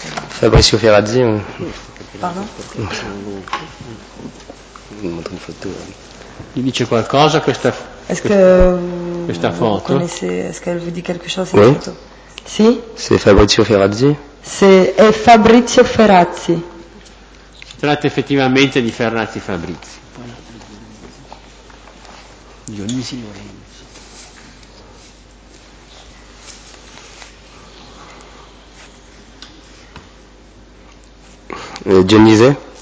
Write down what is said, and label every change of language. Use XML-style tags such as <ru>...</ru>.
<it>Fabrizio Ferrazzi.</it> <fr>Pardon?</fr> <it>Mi montre una foto. Gli dice qualcosa questa foto? Questa foto.</it> <fr>Est-ce qu'elle vous dit quelque chose, cette photo?</fr> <it>Si?</it> <fr>C'est Fabrizio Ferrazzi.</fr> <it>È Fabrizio Ferrazzi. Si tratta effettivamente di Ferrazzi Fabrizio. Dionisi Lorenzo. Dionisi?</it>